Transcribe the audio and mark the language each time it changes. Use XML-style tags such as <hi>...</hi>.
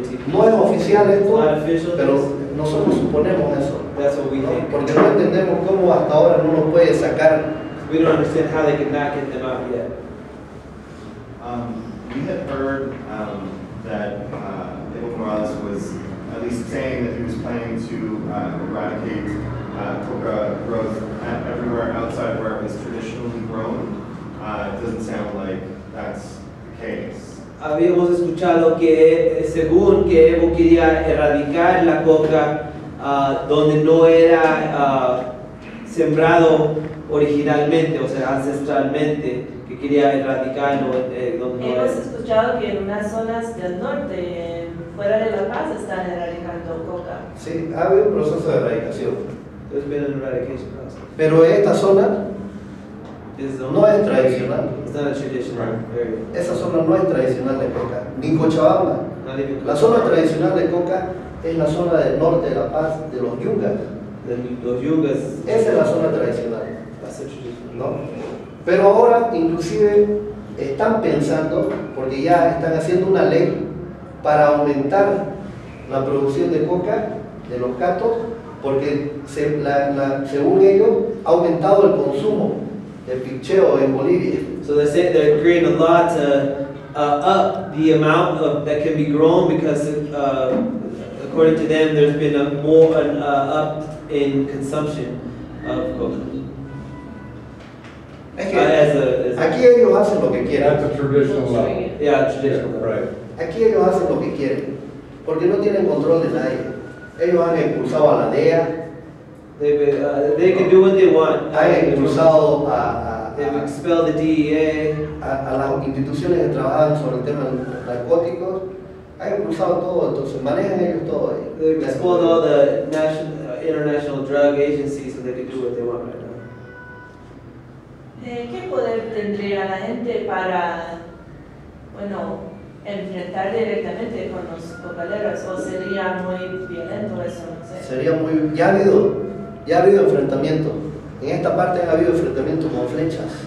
<es>No es oficial esto, pero nosotros suponemos eso, ¿no? Porque no entendemos cómo hasta ahora no lo puede sacar.</es> <en>We don't understand how they could not get them out yet. We had heard that Evo Morales was at least saying that he was planning to eradicate coca growth everywhere outside where it was traditionally grown. It doesn't sound like that's the case.</en> <es>Habíamos escuchado que según que Evo quería erradicar la coca donde no era sembrado originalmente, o sea, ancestralmente, que quería erradicarlo. Hemos escuchado que en unas zonas del norte, fuera de La Paz, están erradicando coca. Sí, ha habido un proceso de erradicación. Entonces viene el</es> <en>eradication process.</en> <es>Pero esta zona no es tradicional.</es> <en>It's not a traditional. Right.</en> <es>Esa zona no es tradicional de coca, ni Cochabamba. La zona tradicional de coca es la zona del norte de La Paz, de los Yungas. Los Yungas. Esa es la zona tradicional. ¿No? Pero ahora inclusive están pensando, porque ya están haciendo una ley para aumentar la producción de coca de los catos, porque según ellos ha aumentado el consumo de picheo en Bolivia.</es> <en>So they say they're creating a lot to up the amount of, that can be grown because according to them there's been a more an up in consumption of coca.</en> <es>Es que aquí ellos hacen lo que quieren.</es> <en>That's a traditional level. Yeah, traditional level. Right.</en> <es>Aquí ellos hacen lo que quieren, porque no tienen control de nadie. Ellos han expulsado a la DEA.</es> <en>They can do what they want.</en> <es>Han expulsado a...</es> <en>They've expelled the DEA.</en> <es>A las instituciones que trabajan sobre el tema de narcóticos. Han expulsado todo, entonces manejan ellos todo.</es> <en>They've expelled all the international drug agencies so they can do what they want right now.</en> <es>¿Qué poder tendría la gente para, bueno, enfrentar directamente con los cocaleros? ¿O sería muy violento eso? No sé. Sería muy... Ya ha habido enfrentamiento. En esta parte ha habido enfrentamiento con flechas.</es>